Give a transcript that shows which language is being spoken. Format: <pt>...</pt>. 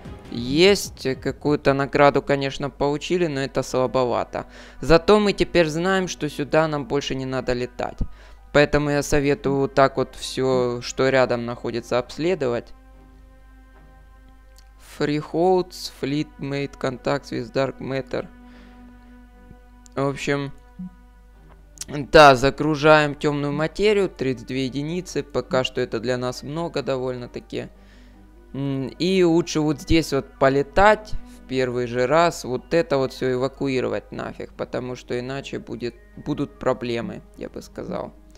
<ru>Есть, какую-то награду, конечно, получили, но это слабовато. Зато мы теперь знаем, что сюда нам больше не надо летать. Поэтому я советую вот так вот все, что рядом находится, обследовать.</ru> <en>Freeholds, Fleet made contact with Dark Matter.</en> <ru>В общем, да, загружаем темную материю, 32 единицы. Пока что это для нас много довольно-таки. И лучше вот здесь вот полетать в первый же раз, вот это вот все эвакуировать нафиг, потому что иначе будут проблемы, я бы сказал.</ru>